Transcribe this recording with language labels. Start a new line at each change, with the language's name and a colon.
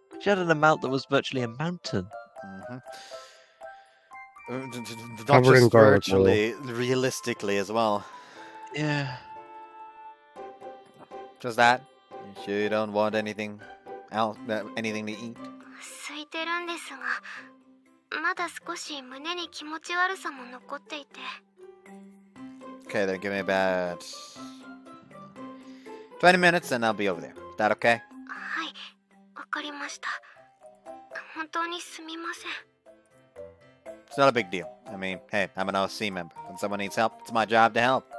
English: She had an amount that was virtually a mountain. Mm-hmm. Not just virtually, realistically as well. Yeah. Just that? You sure you don't want anything else, anything to eat?
Japanese: 空いてるんですが、まだ少し胸に気持ち悪さも残っていて。
English: Okay, then give me about 20 minutes and I'll be over there. Is that okay?
Japanese: はい、わかりました。本当にすみません。
English: It's not a big deal. I mean, hey, I'm an OC member. When someone needs help, it's my job to help.